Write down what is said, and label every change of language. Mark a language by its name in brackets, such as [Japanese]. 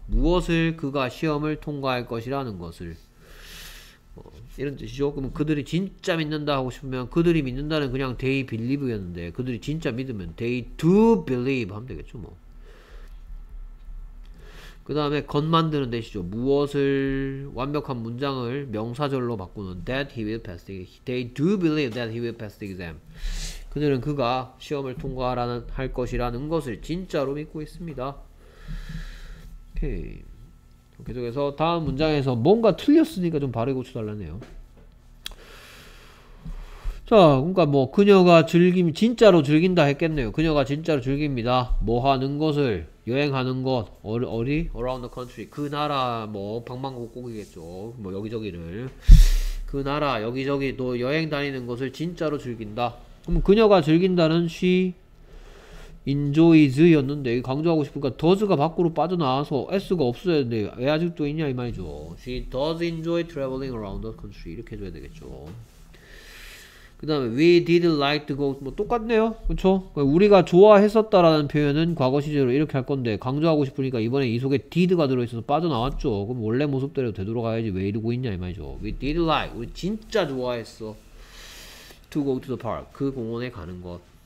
[Korean] 무엇을 그가 시험을 통과할 것이라는 것을 뭐 이런 뜻이죠. 그러면 그들이 진짜 믿는다 하고 싶으면 그들이 믿는다는 그냥 [English] they believe [Korean] 였는데 그들이 진짜 믿으면 [English] they do believe [Korean] 하면 되겠죠 뭐. 그 다음에 겉 만드는 뜻이죠. 무엇을 완벽한 문장을 명사절로 바꾸는 [English] that he will pass the exam. They do believe that he will pass the exam. [Korean] 그들은 그가 시험을 통과하라는 할 것이라는 것을 진짜로 믿고 있습니다. 오케이. 계속해서 다음 문장에서 뭔가 틀렸으니까 좀 바르게 고쳐달라네요. 자, 그러니까 뭐 그녀가 즐김 진짜로 즐긴다 했겠네요. 그녀가 진짜로 즐깁니다. 뭐 하는 것을 여행하는 것 어디 [English] around the country [Korean] 그 나라 뭐 방방곡곡이겠죠. 뭐 여기저기를 그 나라 여기저기 또 여행 다니는 것을 진짜로 즐긴다. 그럼 그녀가 즐긴다는 [English] she enjoys [Korean] 였는데 강조하고 싶으니까 does가 밖으로 빠져나와서 s가 없어야 되는데 왜 아직도 있냐 이 말이죠. [English] She does enjoy traveling around the country 이렇게 해줘야 되겠죠. [Korean] 그 다음에 [English] we did like to go [Korean] 뭐 똑같네요. 그렇죠? 우리가 좋아했었다라는 표현은 과거 시제로 이렇게 할 건데 강조하고 싶으니까 이번에 이 속에 did가 들어있어서 빠져나왔죠. 그럼 원래 모습대로 되돌아가야지 왜 이러고 있냐 이 말이죠. [English] We did like [Korean] 우리 진짜 좋아했어 [English] to go to the park [Korean] 그 공원에 가는 것.